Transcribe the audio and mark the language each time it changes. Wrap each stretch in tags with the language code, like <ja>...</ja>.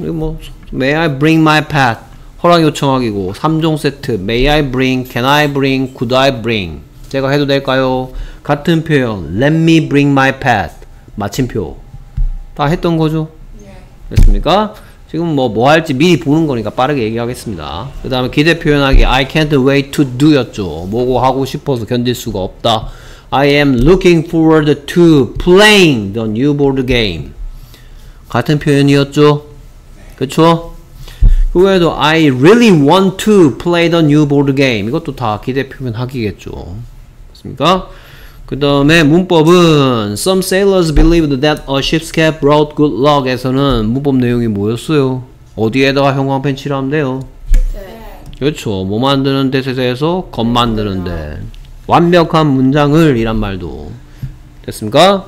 <en>이거 뭐 May I bring my pet</en> <ko>허락 요청하기고 3종 세트</ko> <en>May I bring, Can I bring, Could I bring</en> <ko>제가 해도 될까요? 같은 표현</ko> <en>Let me bring my pet</en> <ko>마침표 다 했던 거죠. 됐습니까? 지금 뭐 할지 미리 보는 거니까 빠르게 얘기하겠습니다. 그 다음에 기대 표현하기</ko> <en>I can't wait to do</en> <ko>였죠. 뭐고 하고 싶어서 견딜 수가 없다.</ko> <en>I am looking forward to playing the new board game.</en> <ko>같은 표현이었죠? 그쵸? 그 외에도</ko> <en>I really want to play the new board game.</en> <ko>이것도 다 기대 표현 하기겠죠. 맞습니까? 그 다음에 문법은</ko> <en>Some sailors believed that a ship's cap brought good luck</en> <ko>에서는 문법 내용이 뭐였어요? 어디에다가 형광펜치를 하면 돼요? 그쵸? 뭐 만드는 데서에서 겉 만드는 데 완벽한 문장을 이란 말도 됐습니까?</ko>